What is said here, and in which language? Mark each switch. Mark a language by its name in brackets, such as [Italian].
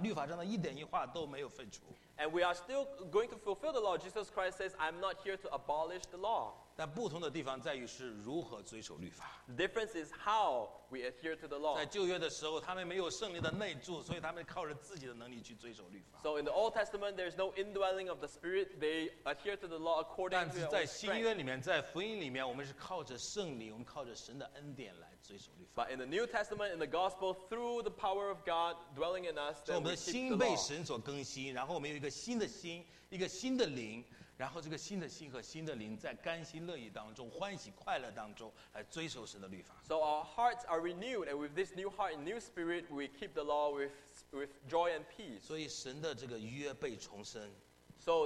[Chinese] 在圣经上说，我来不是要废除律法，律法上的一点一画都没有废除。 [English] And we are still going to fulfill the law. Jesus Christ says, "I'm not here to abolish the law." [Chinese] 但不同的地方在于是如何遵守律法。 [English] The difference is how we adhere to the law. [Chinese] 在旧约的时候，他们没有圣灵的内住，所以他们靠着自己的能力去遵守律法。 [English] So in the Old Testament, there is no indwelling of the Spirit. They adhere to the law according to their strength. [Chinese] 但是在新约里面，在福音里面，我们是靠着圣灵，我们靠着神的恩典来遵守律法。 [English] But in the New Testament, in the Gospel, through the power of God dwelling in us, then we keep the law. [Chinese] 一个新的心，一个新的灵，然后这个新的心和新的灵在甘心乐意当中，欢喜快乐当中来遵守神的律法。 [English] So our hearts are renewed, and with this new heart and new spirit, we keep the law with joy and peace. [Chinese] 所以神的这个约被重申。 [English] So